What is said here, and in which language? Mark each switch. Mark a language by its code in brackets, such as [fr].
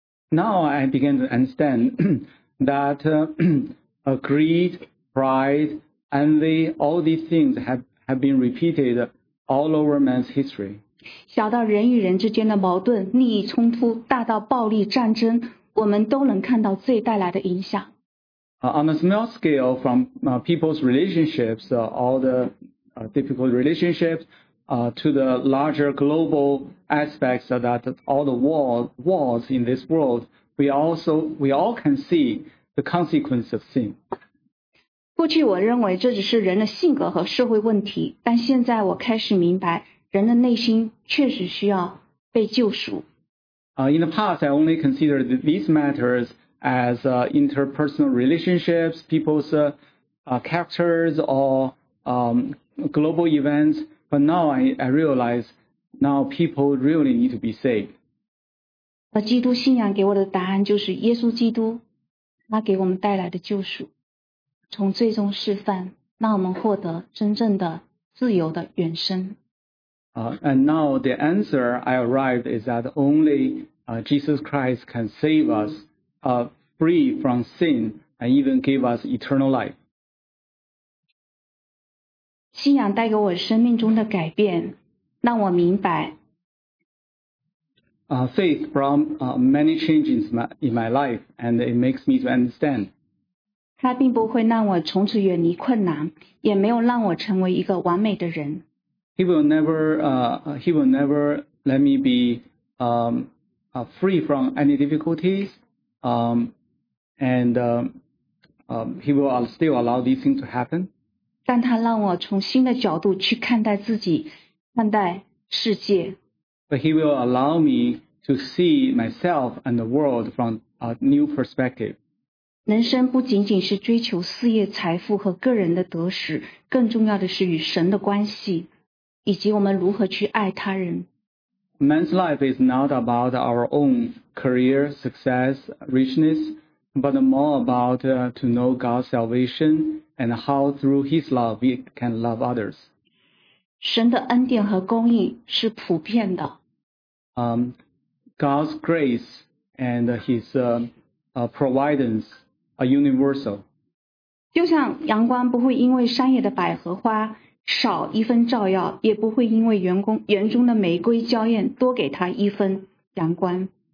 [en] Now I began to understand that greed, pride,And all these things have been repeated all over man's history. [zh] 小到人与人之间的矛盾、利益冲突，大到暴力战争，我们都能看到罪带来的影响。 [en] On a small scale, from people's relationships, all the difficult relationships, to the larger global aspects that all the wars in this world, we all can see the consequence of sin. [zh] 过去我认为这只是人的性格和社会问题，但现在我开始明白，人的内心确实需要被救赎。 [en] In the past, I only considered these matters as interpersonal relationships, people's characters, or global events. But now I realize, now people really need to be saved. [zh] 而基督信仰给我的答案就是耶稣基督，他给我们带来的救赎。从最终释放，让我们获得真正的自由的原生。 [en] And now the answer I arrived is that only Jesus Christ can save us free from sin and even give us eternal life. [zh] 信仰带给我生命中的改变，让我明白。 [en] Faith brought many changes in my life, and it makes me to understand. [zh] 他并不会让我从此远离困难，也没有让我成为一个完美的人。 [en] He will never let me be free from any difficulties, he will still allow these things to happen. [zh] 但他让我从新的角度去看待自己，看待世界。 [en] But he will allow me to see myself and the world from a new perspective. [zh] 人生不仅仅是追求事业、财富和个人的得失，更重要的是与神的关系，以及我们如何去爱他人。 [en] Man's life is not about our own career, success, richness, but more about to know God's salvation and how through His love we can love others. [zh] 神的恩典和公义是普遍的。 [en] God's grace and His providence are universal. [zh] 就像阳光不会因为山野的百合花少一分照耀，也不会因为园中的玫瑰娇艳多给他一分阳光。